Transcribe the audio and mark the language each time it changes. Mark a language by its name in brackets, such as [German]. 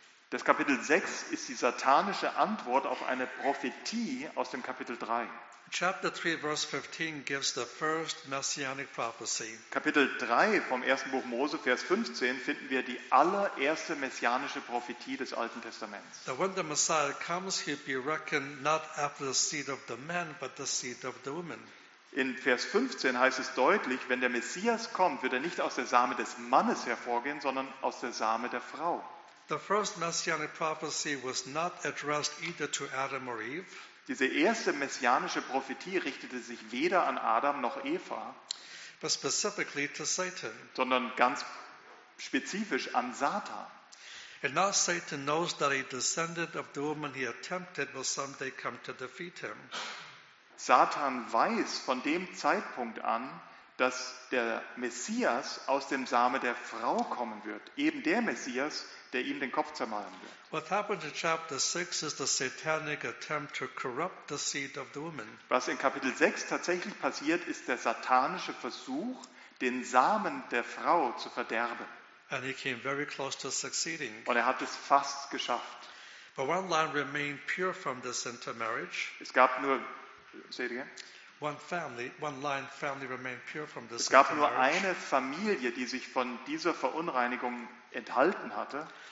[German] Das Kapitel 6 ist die satanische Antwort auf eine Prophetie aus dem Kapitel 3. [English] Chapter 3 verse 15 gives the first messianic prophecy. [German] Kapitel 3 vom 1. Buch Mose Vers 15 finden wir die allererste messianische Prophetie des Alten Testaments. [English] That when the Messiah comes, he'll be reckoned not after the seed of the man, but the seed of the woman. [German] In Vers 15 heißt es deutlich, wenn der Messias kommt, wird er nicht aus der Same des Mannes hervorgehen, sondern aus der Same der Frau. [English] The first messianic prophecy was not addressed either to Adam or Eve. [German] Diese erste messianische Prophetie richtete sich weder an Adam noch Eva. [English] but specifically to Satan. [German] Sondern ganz spezifisch an Satan. [English] And now Satan knows that a descendant of the woman he tempted will someday come to defeat him. [German] Satan weiß von dem Zeitpunkt an, dass der Messias aus dem Same der Frau kommen wird. Eben der Messias, der ihm den Kopf zermalen wird. [English] What happened in chapter 6 is the satanic attempt to corrupt the seed of the woman. [German] Was in Kapitel 6 tatsächlich passiert, ist der satanische Versuch, den Samen der Frau zu verderben. [English] And he came very close to succeeding. [German] Und er hat es fast geschafft. [English] But one line remained pure from this intermarriage. [German] Es gab nur, [English] say it again. [German] Es gab nur eine Familie, die sich von dieser Verunreinigung enthalten hatte.